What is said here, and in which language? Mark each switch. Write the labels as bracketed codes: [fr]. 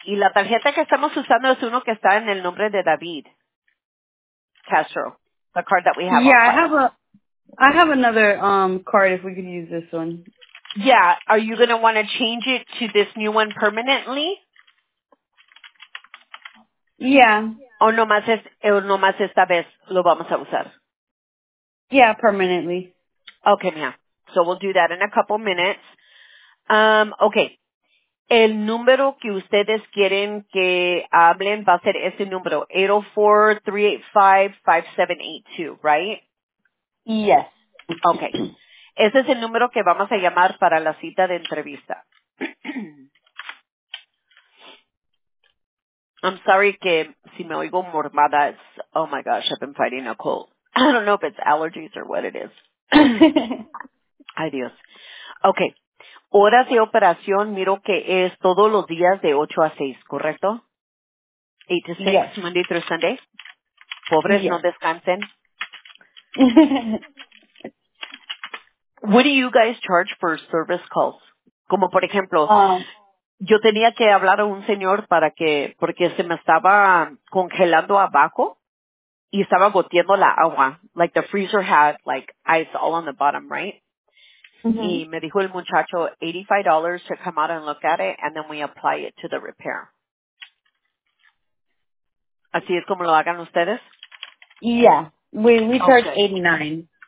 [es] Y la tarjeta que estamos usando es uno que está en el nombre de David Castro. [en] The card that we have. Yeah, I have another card if we could use this one. Yeah. Are you gonna want to change it to this new one permanently? Yeah. [es] O nomás es el nomás esta vez lo vamos a usar. [en] Yeah, permanently. Okay, mija. So we'll do that in a couple minutes. [es] Okay, el número que ustedes quieren que hablen va a ser ese número, 804-385-5782, right? [en] Yes. [es] Okay, ese es el número que vamos a llamar para la cita de entrevista. [en] I'm sorry que si me oigo mormada, it's, oh my gosh, I've been fighting a cold. I don't know if it's allergies or what it is. [es] Ay, Dios. Okay. Horas de operación, miro que es todos los días de 8 a 6, ¿correcto? [en] 8 to 6, yes. Monday through Sunday. Pobres, yes. [es] No descansen. [en] What do you guys charge for service calls? [es] Como por ejemplo, yo tenía que hablar a un señor porque se me estaba congelando abajo y estaba goteando la agua. [en] Like the freezer had like ice all on the bottom, right? Mm-hmm. Y me dijo el muchacho $85 to come out and look at it, and then we apply it to the repair. [es] ¿Así es como lo hagan ustedes? [en] Yeah. We charge $89.